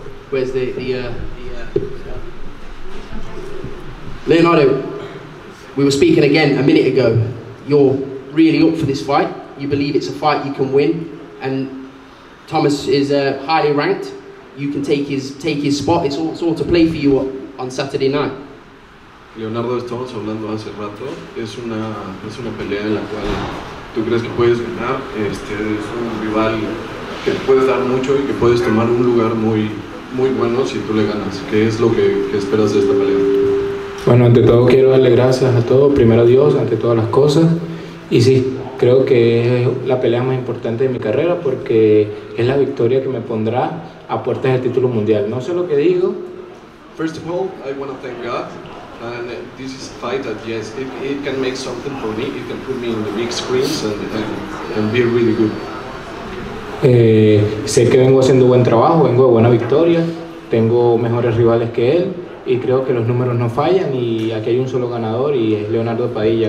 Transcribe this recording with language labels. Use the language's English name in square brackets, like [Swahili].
[English] Where's the Leonardo, we were speaking again a minute ago. You're really up for this fight. You believe it's a fight you can win, and Thomas is highly ranked. You can take his spot. It's all to play for you on Saturday night. [Spanish] Leonardo, estamos hablando hace rato. Es una pelea en la cual tú crees que puedes ganar. Es un rival que puedes dar mucho y que puedes tomar un lugar muy muy bueno si tú le ganas. ¿Qué es lo que esperas de esta pelea? Bueno, ante todo quiero darle gracias a todos. Primero a Dios, ante todas las cosas. Y sí, creo que es la pelea más importante de mi carrera porque es la victoria que me pondrá a puertas del título mundial. No sé lo que digo. [English] First of all, I want to thank God. And this is a fight that, yes, it can make something for me. It can put me in the big screens and be really good. [Spanish] Sé que vengo haciendo buen trabajo, vengo de buena victoria. Tengo mejores rivales que él. Y creo que los números no fallan y aquí hay un solo ganador y es Leonardo Padilla.